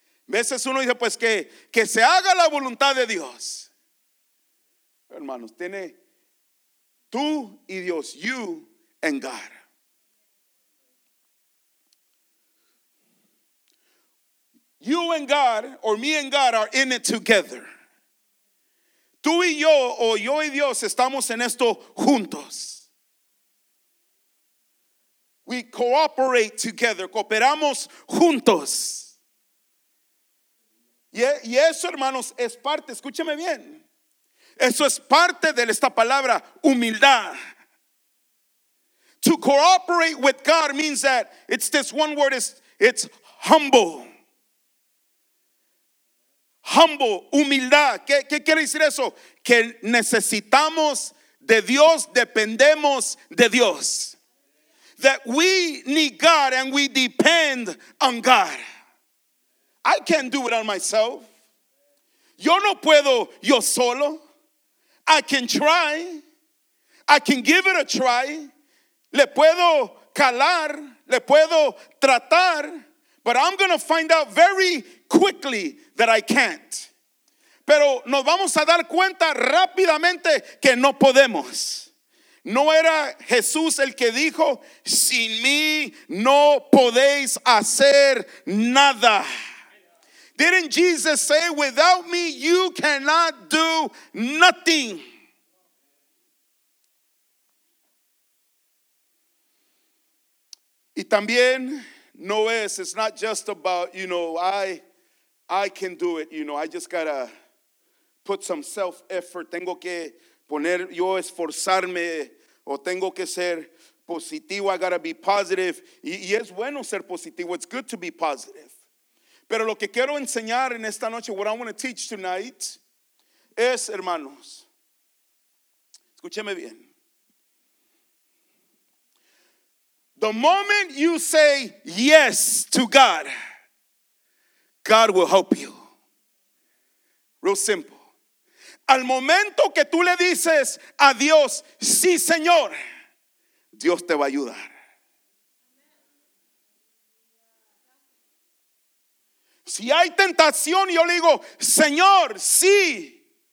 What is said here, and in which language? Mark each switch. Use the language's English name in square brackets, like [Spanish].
[Spanish] Veces uno dice, pues que se haga la voluntad de Dios. Hermanos, tiene tú y Dios, [English] you and God. You and God, or me and God, are in it together. [Spanish] Tú y yo, o yo y Dios, estamos en esto juntos. [English] We cooperate together, [Spanish] cooperamos juntos. Y eso, hermanos, es parte, escúcheme bien. Eso es parte de esta palabra, humildad. [English] To cooperate with God means that it's this one word, it's humble. [Spanish] Humble, humildad. ¿Qué quiere decir eso? Que necesitamos de Dios, dependemos de Dios. [English] That we need God and we depend on God. I can't do it on myself. [Spanish] Yo no puedo yo solo. [English] I can try. I can give it a try. [Spanish] Le puedo calar, le puedo tratar, [English] but I'm going to find out very quickly that I can't. [Spanish] Pero nos vamos a dar cuenta rápidamente que no podemos. No era Jesús el que dijo, sin mí no podéis hacer nada. [English] Didn't Jesus say, without me you cannot do nothing? [Spanish] Y también no es, [English] it's not just about, I can do it, I just gotta put some self-effort. [Spanish] Tengo que poner, yo esforzarme, o tengo que ser positivo, [English] I gotta be positive. [Spanish] Y es bueno ser positivo, [English] it's good to be positive. [Spanish] Pero lo que quiero enseñar en esta noche, [English] what I want to teach tonight, [Spanish] es, hermanos, escúcheme bien. [English] The moment you say yes to God, God will help you. Real simple. [Spanish] Al momento que tú le dices a Dios, sí, Señor, Dios te va a ayudar. Si hay tentación, yo le digo, Señor, sí.